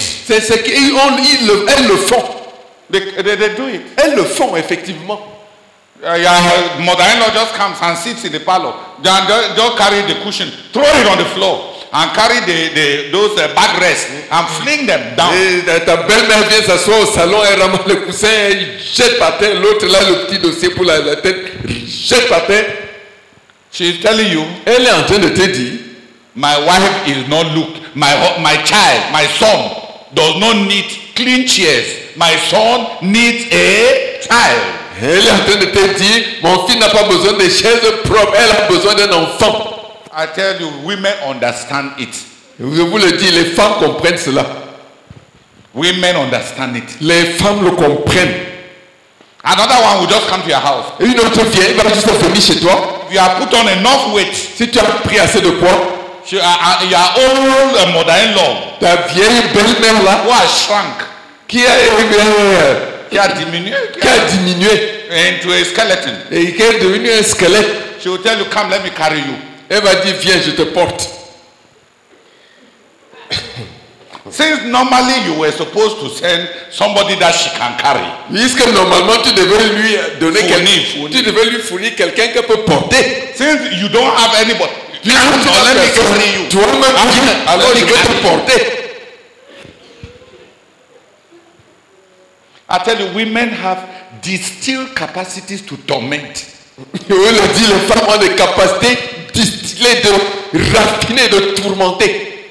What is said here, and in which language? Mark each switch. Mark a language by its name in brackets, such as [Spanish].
[French] C'est ce qu'elles le font. [English] They do it. [French] Elles le font effectivement. [English] Your mother-in-law just comes and sits in the parlor. Then just carry the cushion, throw it on the floor, and carry those backrests and fling them down. [French] Ta belle-mère vient s'asseoir au salon, elle ramasse le coussin, elle jette par terre. L'autre là, le petit dossier pour la tête, jette par terre. [English] She's telling you. [French] Elle est en train de te dire. [English] My wife is not looked. My child, my son, does not need clean chairs. My son needs a child. [French] Elle est en train de te dire, mon fils n'a pas besoin de chaises propres. Elle a besoin d'un enfant. [English] I tell you, women understand it. [French] Je vous le dis, les femmes comprennent cela. [English] Women understand it. [French] Les femmes le comprennent. [English] Another one will just come to your house. [French] Et une autre vient, elle va juste venir chez toi. [English] If you have put on enough weight. [French] Si tu as pris assez de poids. [English] Your old mother-in-law. [French] Ta vieille belle-mère là. [English] Who has shrunk? [French] Qui a diminué? [English] Into a skeleton. [French] Et qui est devenu un squelette. [English] She will tell you, come, let me carry you. [French] Elle va dire, viens, je te porte. [English] Since normally you were supposed to send somebody that she can carry. [French] Puisque normalement tu devais lui donner quelqu'un. Tu devais lui fournir quelqu'un qu'elle peut porter. [English] Since you don't have anybody. [French] Tu as une seule personne. Tu as même pas. Alors il peut te porter. [English] I tell you, women have distilled capacities to torment. [French] Je le dis, les femmes ont des capacités distillées de raffiner, de tourmenter.